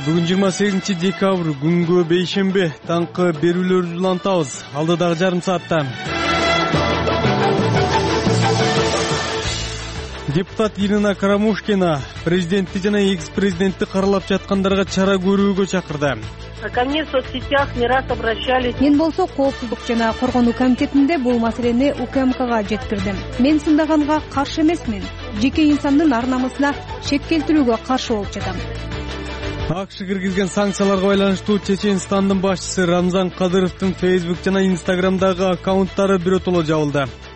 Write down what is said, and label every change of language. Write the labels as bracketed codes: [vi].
[ky] Бүгүн 28 декабрь, күнгө бейшембе, таңкы берүүлөрдү улантабыз. Алдыдагы жарым саатта. Депутат Ирина Карамушкина президентти жана экс-президентти каралап жаткандарга чара көрүүгө чакырды. [ru] Ко мне в соцсетях не раз обращались. [ky] Мен болсо коопсуздук жана коргоонуу комитетинде бул маселени УКМКга жеткирдим. Мен сындаганга каршы эмесмин. Жеке инсандын ар-намысына чек келтирүүгө каршы болуп жатам. АКШ киргизген санкцияларга байланыштуу Чечинстандын башчысы Рамзан Кадыровдун Facebook жана Instagram-дагы аккаунттары биротоло жабылды.